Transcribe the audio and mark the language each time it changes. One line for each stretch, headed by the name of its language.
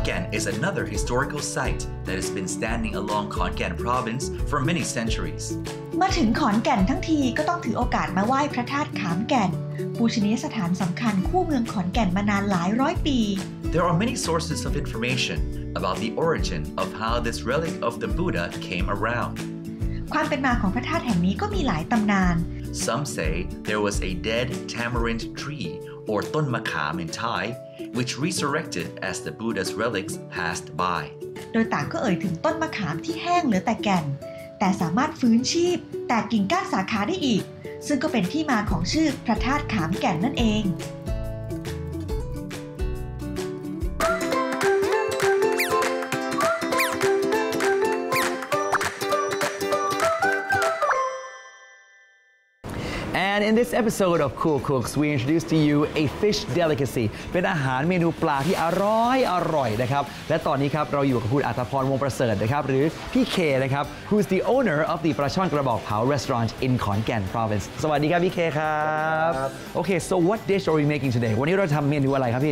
English: Historical site that has been standing along Khon Kaen province for many centuries.
Thai: มาถึงขอนแก่นทั้งทีก็ต้องถือโอกาสมาไหว้พระธาตุขามแก่นปูชนียสถานสำคัญคู่เมืองขอนแก่นมานานหลายร้อยปี
English: There are many sources of information about the origin of how this relic of the Buddha came around.
Thai: ความเป็นมาของพระธาตุแห่งนี้ก็มีหลายตำนาน
English: Some say there was a dead tamarind tree or ต้นมะขาม in Thaiwhich resurrected as the Buddha's relics passed by.
Thai: โดยต่างก็เอ่ยถึงต้นมะขามที่แห้งเหลือแต่แก่นแต่สามารถฟื้นชีพแตกกิ่งก้านสาขาได้อีกซึ่งก็เป็นที่มาของชื่อพระธาตุขามแก่นนั่นเอง เ
English: And in this episode of Cool Cooks, we introduce to you a fish delicacy.
Thai: เป็นอาหารเมนูปลาที่อร่อยอร่อยนะครับและตอนนี้ครับเราอยู่กับคุณอัฐพรวงประเสริฐนะครับหรือพี่เคนะครับ who's the owner of the ปลาช่อนกระบอกเผา restaurant in Khon Kaen province. สวัสดีครับพี่เคครับโอเค so what dish are we making today? วันนี้เราทำเมนูอะไรครับพี